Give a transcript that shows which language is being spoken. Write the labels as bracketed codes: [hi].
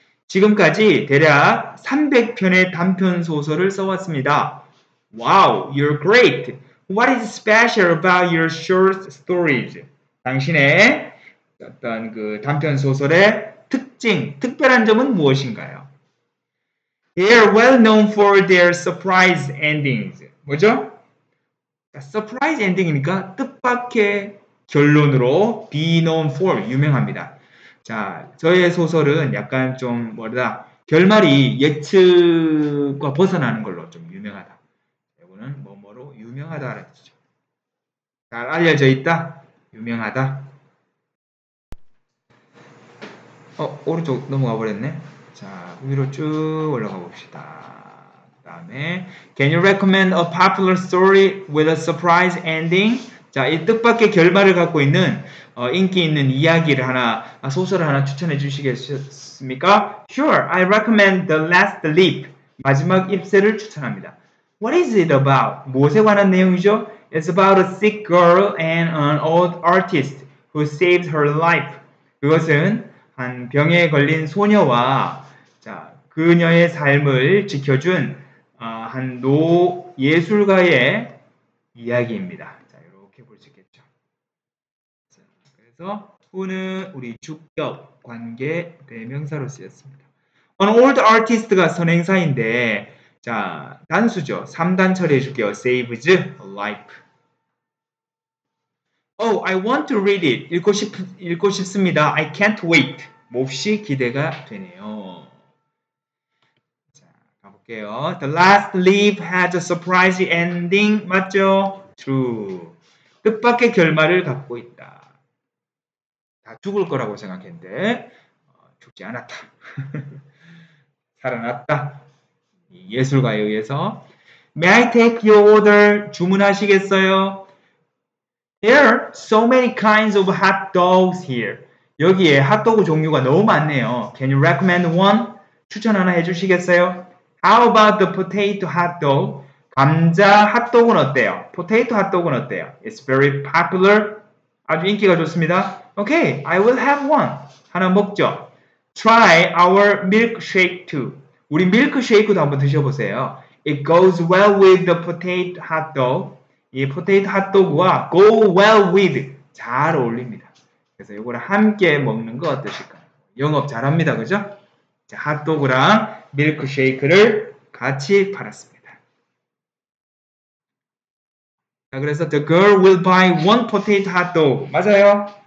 [ko] 지금까지 대략 300편의 단편 소설을 써왔습니다. [en] Wow, you're great. What is special about your short stories? [ko] 당신의 어떤 그 단편 소설의 특징, 특별한 점은 무엇인가요? [en] They are well known for their surprise endings. [ko] 뭐죠? Surprise ending이니까 뜻밖의 결론으로 be known for, 유명합니다. 자, 저의 소설은 약간 좀 뭐라다 결말이 예측과 벗어나는 걸로 좀 유명하다. 이거는 뭐뭐로 유명하다라는 뜻이죠. 잘 알려져 있다? 유명하다? 오른쪽 넘어가 버렸네. 자, 위로 쭉 올라가 봅시다. 그 다음에 [en] Can you recommend a popular story with a surprise ending? [ko] 자, 이 뜻밖의 결말을 갖고 있는 인기 있는 이야기를 하나, 소설을 하나 추천해 주시겠습니까? [en] Sure, I recommend The Last Leap. [ko] 마지막 입세를 추천합니다. [en] What is it about? [ko] 무엇에 관한 내용이죠? [en] It's about a sick girl and an old artist who saves her life. [ko] 그것은 한 병에 걸린 소녀와 자, 그녀의 삶을 지켜준 한 노 예술가의 이야기입니다. 자, 이렇게 볼 수 있겠죠. 자, 그래서 who는 우리 주격 관계 대명사로 쓰였습니다. An old artist가 선행사인데 자, 단수죠. 3단 처리해 줄게요. [en] Saves a life. Oh, I want to read it. [ko] 읽고 싶습니다. [en] I can't wait. [ko] 몹시 기대가 되네요. 자, 가볼게요. [en] The Last Leap has a surprise ending. [ko] 맞죠? [en] True. [ko] 뜻밖의 결말을 갖고 있다. 다 죽을 거라고 생각했는데 죽지 않았다. 살아났다. 예술가에 의해서 [en] May I take your order? [ko] 주문하시겠어요? [en] There are so many kinds of hot dogs here. [ko] 여기에 핫도그 종류가 너무 많네요. [en] Can you recommend one? [ko] 추천 하나 해주시겠어요? [en] How about the potato hot dog? [ko] 감자 핫도그는 어때요? [en] Potato hot dog은 어때요? It's very popular. [ko] 아주 인기가 좋습니다. [en] Okay, I will have one. [ko] 하나 먹죠. [en] Try our milkshake too. [ko] 우리 밀크쉐이크도 한번 드셔보세요. [en] It goes well with the potato hot dog. [ko] 이 포테이토 핫도그와 go well with 잘 어울립니다. 그래서 이거를 함께 먹는 거 어떠실까요? 영업 잘합니다. 그죠? 자, 핫도그랑 밀크쉐이크를 같이 팔았습니다. [en] 자, 그래서 the girl will buy one potato hot dog. [ko] 맞아요?